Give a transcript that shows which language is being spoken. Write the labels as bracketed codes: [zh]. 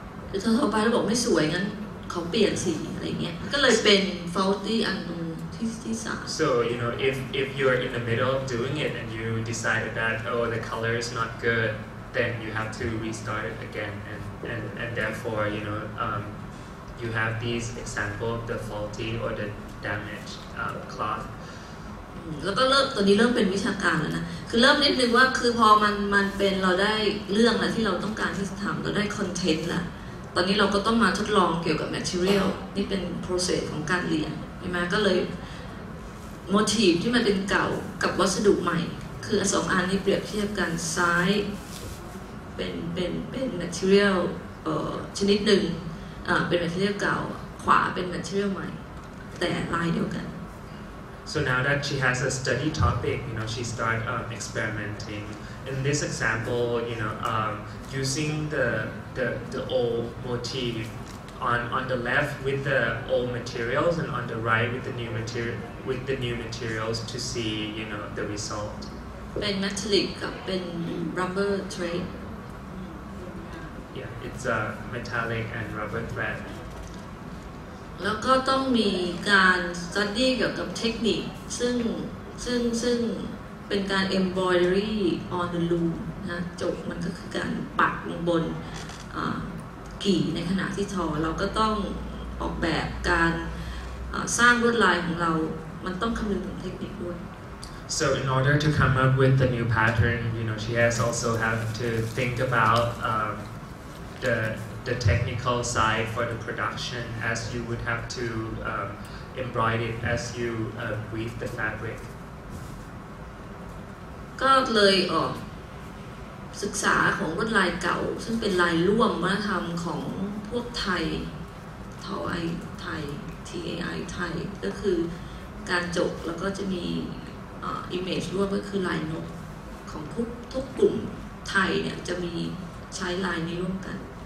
[th] คือทอผ้าแล้วบอกไม่สวยงั้นเขาเปลี่ยนสีอะไรเงี้ยก็เลยเป็น faulty อันนึงที่สาม [en] So you know if you're in the middle of doing it and you decided that oh the color is not good then you have to restart it again and therefore you know you have these example of the faulty or the damaged cloth. [th] แล้วก็เริ่มตอนนี้เริ่มเป็นวิชาการแล้วนะคือเริ่มนิดนึงว่าคือพอมันเป็นเราได้เรื่องแล้วที่เราต้องการที่จะทำเราได้คอนเทนต์ละตอนนี้เราก็ต้องมาทดลองเกี่ยวกับแมทเทอเรียลนี่เป็นโปรเซสของการเรียนใช่ไหมก็เลยโมทีฟที่มันเป็นเก่ากับวัสดุใหม่คือสองอันนี้เปรียบเทียบกันซ้ายเป็นแมทเทอเรียลชนิดหนึ่งเป็นแมทเทอเรียลเก่าขวาเป็นแมทเทอเรียลใหม่แต่ลายเดียวกัน [en] So now that she has a study topic, you know, she start experimenting. In this example, you know, using the old motif on the left with the old materials and on the right with the new materials to see, you know, the result. [th] เป็น metallic กับเป็น rubber thread. [en] Yeah, it's a metallic and rubber thread. [th] แล้วก็ต้องมีการสตัดดี้เกี่ยวกับเทคนิคซึ่งเป็นการ [en] embroidery on the loom [th] นะจบมันก็คือการปักลงบนกี่ในขณะที่ทอเราก็ต้องออกแบบการสร้างลวดลายของเรามันต้องคำนึงถึงเทคนิคด้วย [en] So in order to come up with the new pattern, you know, she has also have to think about the technical side for the production, as you would have to embroider it as you weave the fabric. [th] ก็เลยออกศึกษาของลวดลายเก่าซึ่งเป็นลายร่วมวัฒนธรรมของพวกไทยทอไอไทย TAI ไทยก็คือการจกแล้วก็จะมีimage ร่วมก็คือลายนกของทุกกลุ่มไทยเนี่ยจะมีใช้ลายนี้ร่วมกัน